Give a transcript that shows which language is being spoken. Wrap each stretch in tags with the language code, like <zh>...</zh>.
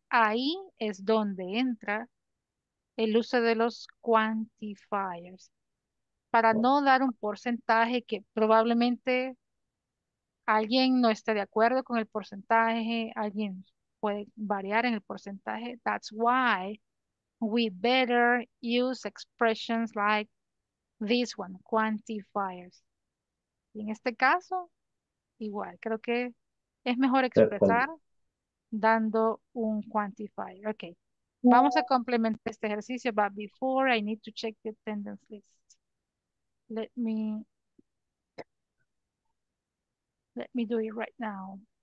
<es>Ahí es donde entra el uso de los quantifiers. Para no dar un porcentaje que probablemente alguien no esté de acuerdo con el porcentaje, alguien puede variar en el porcentaje.</es> <en>That's why we better use expressions like this one, quantifiers.</en> <es>Y en este caso, igual, creo que es mejor expresar dando un quantifier.</es> <en>Ok.</en> <es>Vamos a complementar este ejercicio,</es> <en>but before I need to check the attendance list. Let me do it right now.</en>